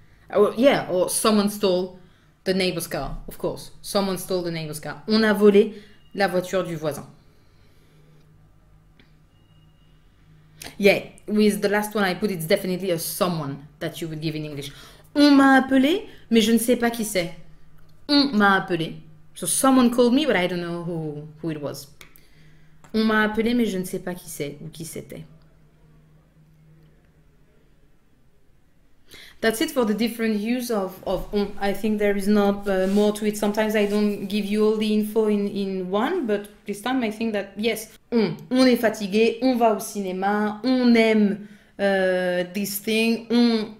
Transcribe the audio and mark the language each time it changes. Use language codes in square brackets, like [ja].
[en] Or someone stole the neighbor's car, of course. Someone stole the neighbor's car. [fr] On a volé la voiture du voisin. [en] Yeah, with the last one I put, it's definitely a someone that you would give in English. [fr] On m'a appelé, mais je ne sais pas qui c'est. On m'a appelé. [en] So someone called me, but I don't know who it was. [fr] On m'a appelé, mais je ne sais pas qui c'est ou qui c'était. [en] That's it for the different use of on. I think there is not more to it. Sometimes I don't give you all the info in one, but this time I think that, yes. [fr] On est fatigué, on va au cinéma, on aime [en] this thing.